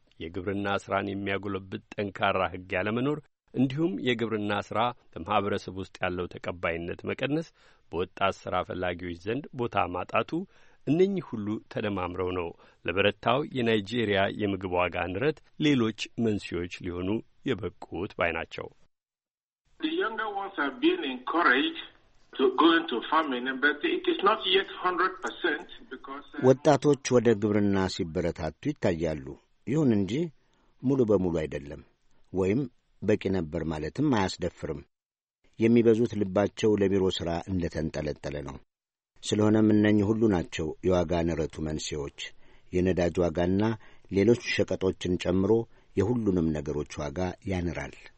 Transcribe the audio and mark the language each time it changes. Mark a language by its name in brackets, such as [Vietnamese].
[Amharic] የግብርና ስራን የሚያጎለብት ጠንካራ ህግ ያለመኖር እንዲሁም የግብርና ስራ በማህበረሰብ ውስጥ ያለው ተቀባይነት መቀነስ በወጣት ስራ ፈላጊዎች ዘንድ ቦታ ማጣቱ እነኚህ ሁሉ ተደማምረው ነው ለበረታው የናይጄሪያ የምግብ ዋጋ ንረት ሌሎች መንስኤዎች ሊሆኑ የበቁት ባይናቸው። [English] The younger ones have been encouraged to go into farming, but it is not yet 100% because [Amharic] ወጣቶች ወደ ግብርና ሲበረታቱ ይታያሉ። ይሁን እንጂ ሙሉ በሙሉ አይደለም ወይም በቂ ነበር ማለትም አያስደፍርም። የሚበዙት ልባቸው ለቢሮ ስራ እንደተንጠለጠለ ነው። ስለሆነም እነኚህ ሁሉ ናቸው የዋጋ ንረቱ መንስኤዎች። የነዳጅ ዋጋና ሌሎች ሸቀጦችን ጨምሮ የሁሉንም ነገሮች ዋጋ ያነራል።